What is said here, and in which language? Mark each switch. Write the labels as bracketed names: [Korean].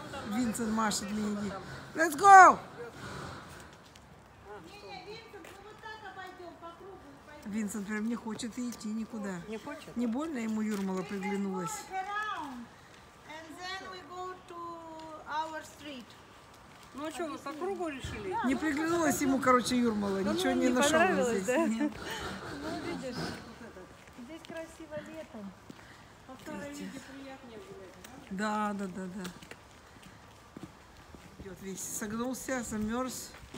[Russian] Винсент машет мне иди. [English] Let's go! [Russian] Не, Винсент, мы вот так обойдем, по кругу пойдем. Винсент прям не хочет идти никуда. Не хочет? Не больно ему Юрмала приглянулась? [English] We can walk around, and then we go to our street. [Russian] Ну а что, вы по кругу решили? Да, не ну, приглянулась что-то... ему, короче, Юрмала, да, ничего ну, не нашел здесь. Да? Нет. Ну видишь, вот это. Здесь красиво летом. По второй виде приятнее было, да? Да, да, да, да. Весь согнулся, замерз.